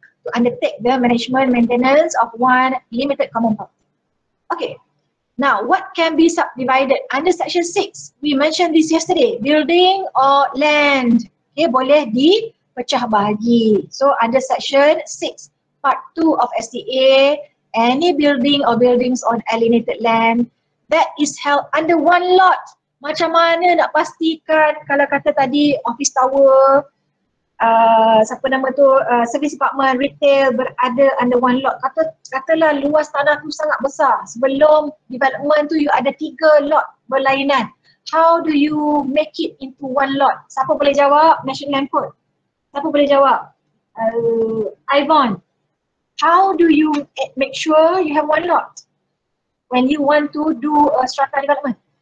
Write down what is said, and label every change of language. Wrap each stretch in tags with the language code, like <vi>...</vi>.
<en>To undertake the management maintenance of one limited common property. Okay, now what can be subdivided? Under section 6, we mentioned this yesterday, building or land.</en> <ms>Okay, boleh dipecah bahagi.</ms> <en>So under section 6, part 2 of STA, any building or buildings on alienated land that is held under one lot.</en> <ms>Macam mana nak pastikan kalau kata tadi</ms> <en>office tower,</en> <ms>siapa nama tu,</ms> <en>service apartment, retail</en> <ms>berada</ms> <en>under one lot.</en> <ms>Katalah luas tanah tu sangat besar. Sebelum development tu you ada tiga lot berlainan.</ms> <en>How do you make it into one lot?</en> <ms>Siapa boleh jawab? National Land Court. Siapa boleh jawab? Ivan.</ms> <en>How do you make sure you have one lot when you want to do a strata development?</en>